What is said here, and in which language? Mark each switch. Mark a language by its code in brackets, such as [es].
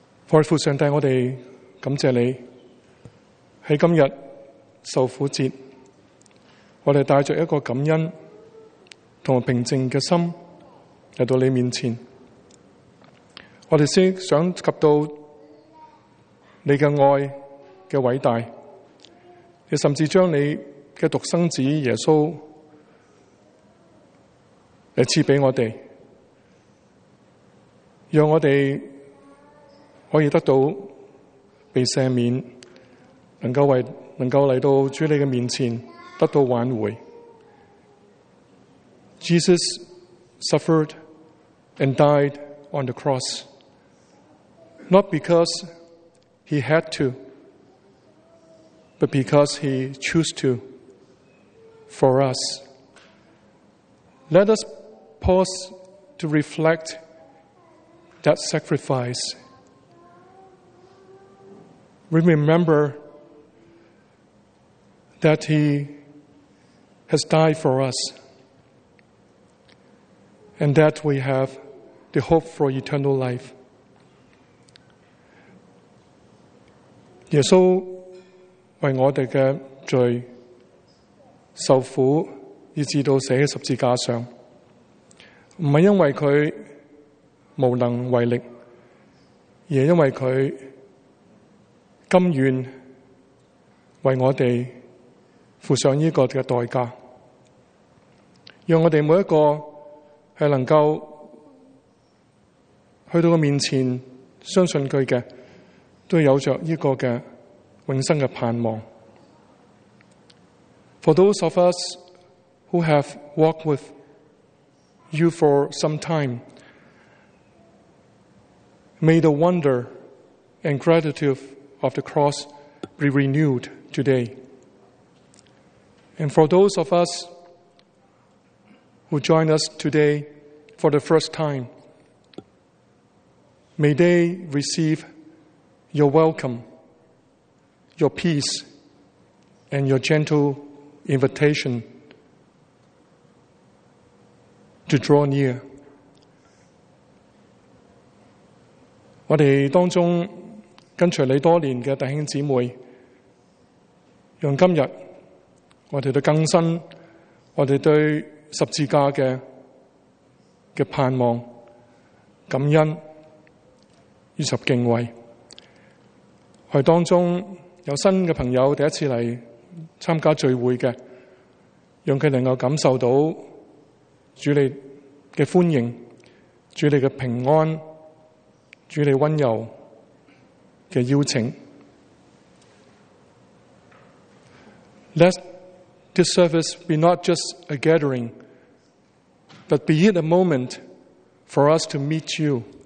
[zh] 愛父上帝，我們感謝你，在今日受苦節我们带着一个感恩和平静的心来到你面前，我们先想及到你的爱的伟大，你甚至将你的独生子耶稣来赐给我们，让我们可以得到被赦免，能够来到主你的面前得到挽回。 [en] Jesus suffered and died on the cross, not because he had to, but because he chose to for us. Let us pause to reflect that sacrifice. We remember that he has died for us, and that we have the hope for eternal life. [zh] 耶稣为我们的罪受苦，以致到死在十字架上，不是因为他无能为力，而是因为他甘愿为我们付上这个代价，让我们每一个是能够去到他面前相信他的，都有着这个的永生的盼望。 [en] For those of us who have walked with you for some time, may the wonder and gratitude of the cross be renewed today. And for those of us who join us today for the first time, may they receive your welcome, your peace, and your gentle invitation to draw near. [zh] 我们当中跟随你多年的弟兄姊妹，用今日我们的更新，我们对十字架 的盼望、感恩以及敬畏。我们当中有新的朋友第一次来参加聚会的，让他能够感受到主你的欢迎、主你的平安、主你温柔的邀请。 [en] Let this service be not just a gathering, but be it a moment for us to meet you.